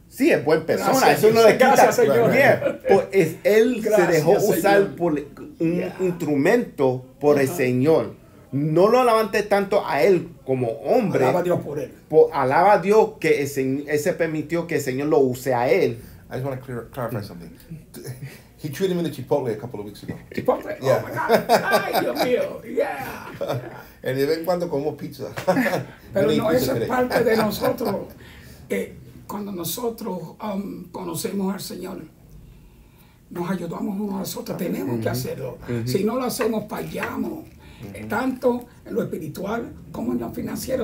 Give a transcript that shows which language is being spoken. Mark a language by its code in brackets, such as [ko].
[es] Sí, es buena persona. Gracias, eso no le quita. Gracias, Señor. Yeah. Pues es, él gracias, se dejó usar Señor. Por un instrumento por el Señor. No lo alabante tanto a él como hombre. Alaba a Dios por él. Por, alaba a Dios que ese permitió que el Señor lo use a él. [en] I just want to clarify something. He treated me to Chipotle a couple of weeks ago. Chipotle? Yeah. Oh my God. [es] Ay, Dios mío. [en] Yeah. [es] Y de vez en cuando como pizza. Pero no, pizza eso es parte de nosotros. Cuando nosotros conocemos al Señor, nos ayudamos unos a nosotros. Tenemos que hacerlo. Si no lo hacemos, fallamos. Tanto en lo espiritual como en lo financiero.